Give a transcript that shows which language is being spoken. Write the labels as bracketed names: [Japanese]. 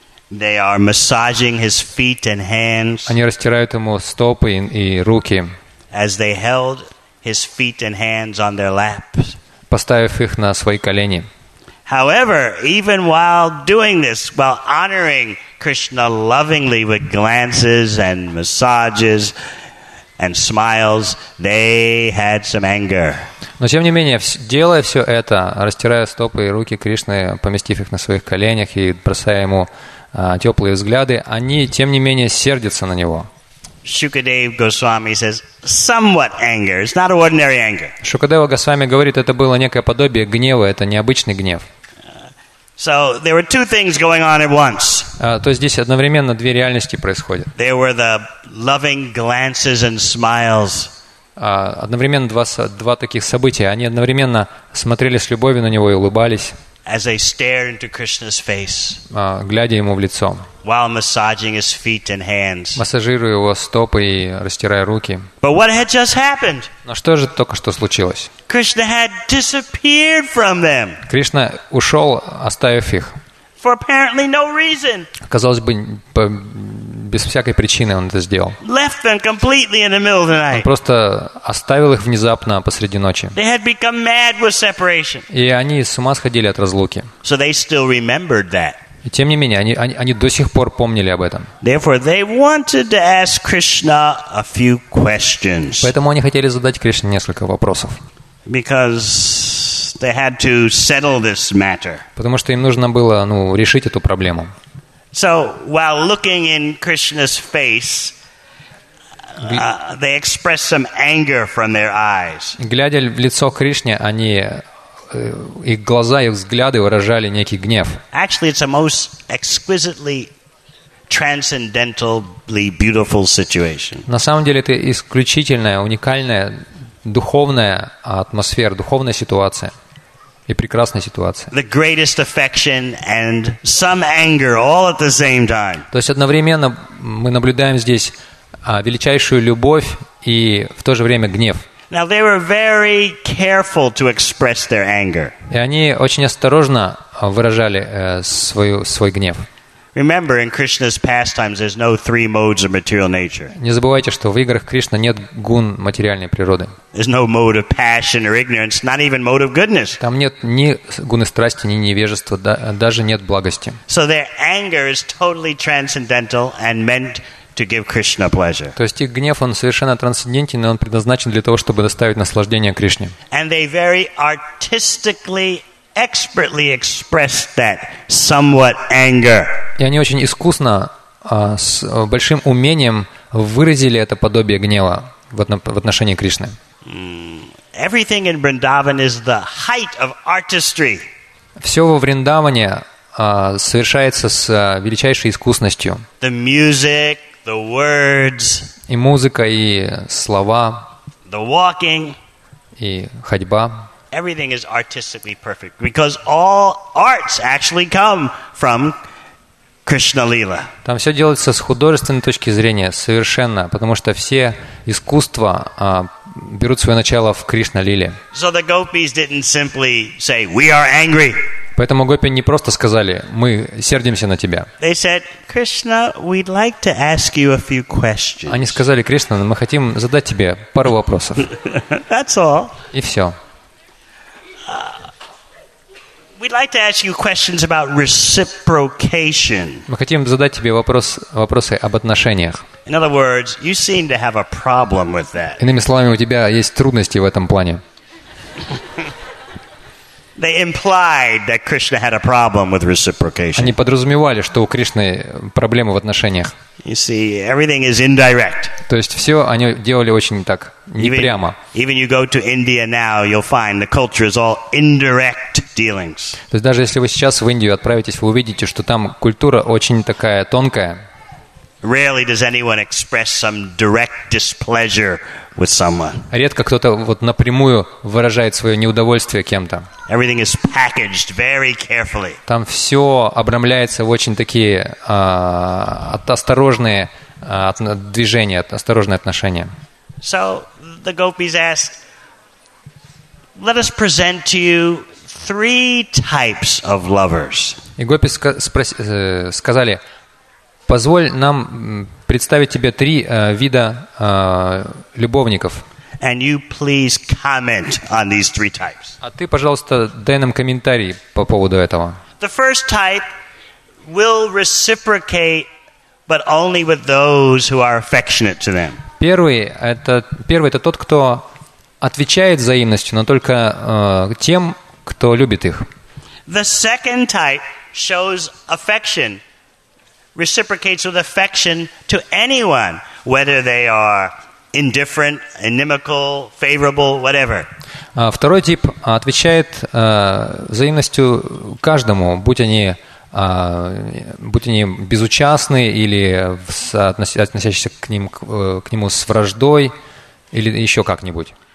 [English] They are massaging his feet and hands. [Russian] Они растирают ему стопы и руки. [English] As they held his feet and hands on their laps. [Russian] Поставив их на свои колени. [English] However, even while doing this, while honoring Krishna lovingly with glances and massages and smiles, they had some anger. [Russian] Но тем не менее, делая все это, растирая стопы и руки Кришны, поместив их на своих коленях и бросая ему теплые взгляды, они тем не менее сердятся на него. [English] Shukadev Goswami says somewhat anger. It's not ordinary anger. [Russian] Шукадева Госвами говорит, это было некое подобие гнева, это необычный гнев. [English] So there were two things going on at once. [Russian] То есть здесь одновременно две реальности происходят. [English] There were the loving glances and smiles. [Russian] Одновременно два таких события. Они одновременно смотрели с любовью на него и улыбались. [English] As they stared into Krishna's face, [Russian] глядя ему в лицо, [English] while massaging his feet and hands, [Russian] массажируя его стопы и растирая руки. [English] But what had just happened? [Russian] Но что же только что случилось? [English] Krishna had disappeared from them. [Russian] Кришна ушел, оставив их. [English] For apparently no reason. [Russian] Казалось бы, без всякой причины он это сделал. [English] Left them completely in the middle of the night. [Russian] Он просто оставил их внезапно посреди ночи. [English] They had become mad with separation. [Russian] И они с ума сходили от разлуки. [English] So they still remembered that. [Russian] И тем не менее, они до сих пор помнили об этом. [English] Therefore, they wanted to ask Krishna a few questions. [Russian] Поэтому они хотели задать Кришне несколько вопросов. [English] Because they had to settle this matter. [Russian] Потому что им нужно было, ну, решить эту проблему. [English] So while looking in Krishna's face, they expressed some anger from their eyes. [Russian] Глядя в лицо Кришне, они их глаза, их взгляды выражали некий гнев. [English] Actually, it's a most exquisitely transcendentally beautiful situation. [Russian] На самом деле это исключительная, уникальная духовная атмосфера, духовная ситуация. И прекрасная ситуация. [English] The greatest affection and some anger all at the same time. [Russian] То есть одновременно мы наблюдаем здесь величайшую любовь и в то же время гнев. [English] Now they were very careful to express their anger. [Russian] И они очень осторожно выражали свой гнев. [English] Remember, in Krishna's pastimes, there's no three modes of material nature. [Russian] Не забывайте, что в играх Кришны нет гун материальной природы. [English] There's no mode of passion or ignorance, not even mode of goodness. [Russian] Там нет ни гуны страсти, ни невежества, даже нет благости. [English] So their anger is totally transcendental and meant to give Krishna pleasure. [Russian] То есть их гнев он совершенно трансцендентен, и он предназначен для того, чтобы доставить наслаждение Кришне. [English] And they very artistically expertly expressed that somewhat anger. [Russian] И они очень искусно, с большим умением выразили это подобие гнева в отношении Кришны. [English] Everything in Vrindavan is the height of artistry. [Russian] Все во Вриндаване совершается с величайшей искусностью. [English] The music, the words, [Russian] и музыка, и слова, [English] the walking, [Russian] и ходьба. [English] everything is artistically perfect because all arts actually come from Krishna Lila. [Russian] Там все делается с художественной точки зрения совершенно, потому что все искусства берут свое начало в Кришна Лиле. [English] So the gopis didn't simply say, "We are angry." [Russian] Поэтому гопи не просто сказали: «Мы сердимся на тебя». [English] They said, "Krishna, we'd like to ask you a few questions." [Russian] Они сказали: «Кришна, мы хотим задать тебе пару вопросов». [English] That's all. [Russian] И все. [English] We'd like to ask you questions about reciprocation. [Russian] Мы хотим задать тебе вопросы об отношениях. [English] In other words, you seem to have a problem with that. [Russian] Иными словами, у тебя есть трудности в этом плане. [English] They implied that Krishna had a problem with reciprocation. [Russian] Они подразумевали, что у Кришны проблемы в отношениях. [English] You see, everything is indirect. [Russian] То есть все они делали очень так, непрямо. [English] Even you go to India now, you'll find the culture is all indirect dealings. [Russian] То есть даже если вы сейчас в Индию отправитесь, вы увидите, что там культура очень такая тонкая. [English] Rarely does anyone express some direct displeasure with someone. [Russian] Редко кто-то вот напрямую выражает свое неудовольствие кем-то. [English] Everything is packaged very carefully. [Russian] Там все обрамляется в очень такие осторожные движения, осторожные отношения. [English] So the gopis asked, "Let us present to you three types of lovers." [Russian] И гопи сказали: позволь нам представить тебе три вида любовников. [English] And you please comment on these three types. [Russian] А ты, пожалуйста, дай нам комментарий по поводу этого. [English] The first type will reciprocate, but only with those who are affectionate to them. [Russian] Первый это тот, кто отвечает взаимностью, но только тем, кто любит их. [English] The second type shows affection. Reciprocates with affection to anyone, whether they are indifferent, inimical, favorable, whatever. [Russian] Второй тип отвечает взаимностью каждому, будь они безучастны или относящиеся к нему с враждой или еще как-нибудь.